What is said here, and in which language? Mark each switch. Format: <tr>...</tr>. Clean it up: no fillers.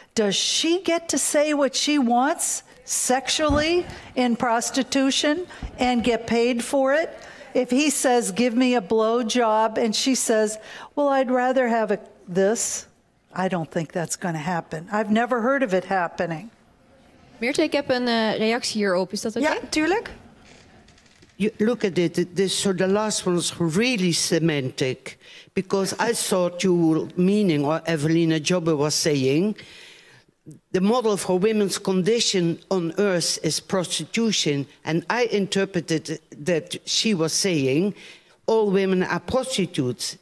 <en>Does she get to say what she wants sexually in prostitution and get paid for it? If he says, give me a blowjob, and she says, well, I'd rather have this. I don't think that's going to happen. I've never heard of it happening.</en> <nl>Myrthe, ik heb een reactie hierop. Is dat oké? Ja, tuurlijk.</nl> <en>You look at it. This, so the last one is really semantic. Because I thought you were meaning what Evelina Jobbe was saying. The model for women's condition on earth is prostitution. And I interpreted that she was saying all women are prostitutes.</en>